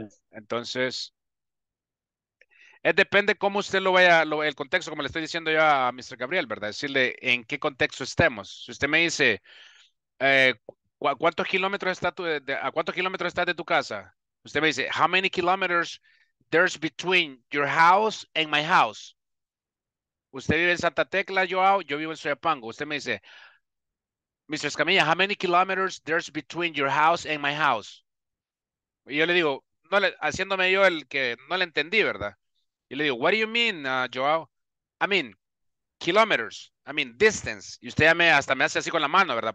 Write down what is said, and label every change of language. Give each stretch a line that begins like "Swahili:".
Spanish: Entonces depende cómo usted lo vea, el contexto, como le estoy diciendo yo a Mr. Gabriel, ¿verdad? Decirle en qué contexto estemos. Si usted me dice ¿a cuántos kilómetros está de tu casa? Usted me dice,
English: how many kilometers there's between your house and my house?
Spanish: Usted vive en Santa Tecla, yo vivo en Soyapango. Usted me dice, Mr.
English: Escamilla, how many kilometers there's between your house and my house?
Spanish: Y yo le digo, haciéndome yo el que no le entendí, ¿verdad? Y le digo,
English: what do you mean, Joao? I mean, kilometers. I mean, distance.
Spanish: Y usted ya hasta me hace así con la mano, ¿verdad?